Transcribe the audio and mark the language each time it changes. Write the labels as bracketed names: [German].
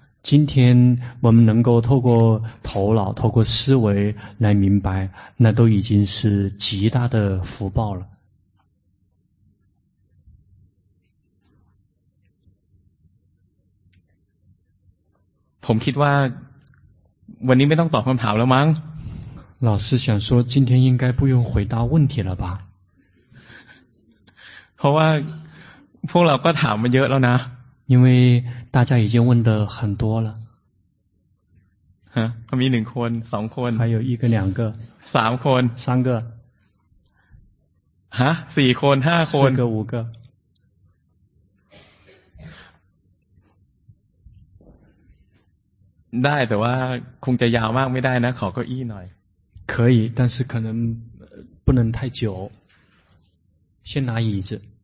[Chinese] 今天我们能够透过头脑透过思维来明白那都已经是极大的福报了 [Thai] ผมคิดว่า วันนี้ไม่ต้องตอบคำถามแล้วมั้ง [Chinese] 老师想说今天应该不用回答问题了吧 [Thai] เพราะว่าพวกเราก็ถามมาเยอะแล้วนะ [Chinese] 因为大家已经问的很多了 [Thai] ฮะมีหนึ่งคนสองคน [Chinese] 还有一个两个 [Thai] สามคน [Chinese] 三个 [Thai] ฮะสี่คนห้าคน [Chinese] 四个五个 [Thai] ได้แต่ว่าคงจะยาวมากไม่ได้นะขอเก้าอี้หน่อย [Chinese] 可以但是可能不能太久先拿椅子